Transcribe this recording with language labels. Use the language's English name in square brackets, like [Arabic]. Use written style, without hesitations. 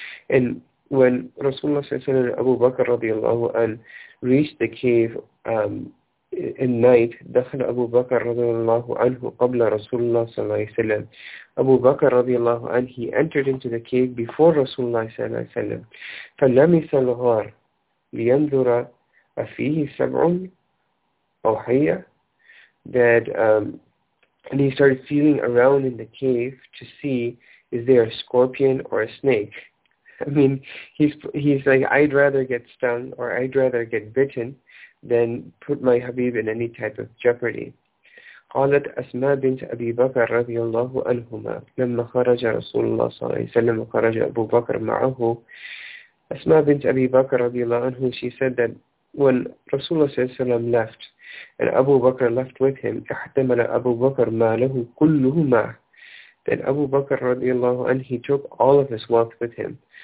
[English] And when رسول الله صلى الله عليه وسلم and أبو بكر رضي الله عنه reached the cave in night, [Arabic] دخل أبو بكر رضي الله عنه قبل رسول الله صلى الله عليه وسلم. [English] أبو بكر رضي الله عنه, he entered into the cave before رسول الله صلى الله عليه وسلم. [Arabic] فلمس الغار لينظر أفيه سبع أو حية. [English] That and he started feeling around in the cave to see, is there a scorpion or a snake? I mean, he's like, I'd rather get stung or I'd rather get bitten than put my Habib in any type of jeopardy. [Arabic] قالت أسماء بنت أبي بكر رضي الله عنهما لما خرج رسول الله صلى الله عليه وسلم وخرج أبو بكر معه. [English] أسماء بنت أبي بكر رضي الله عنه, she said that when رسول الله صلى الله عليه وسلم left and أبو بكر left with him, [Arabic] احتمل أبو بكر ماله كله معه. [English] Then Abu Bakr radiallahu anhu, he took all of his wealth with him.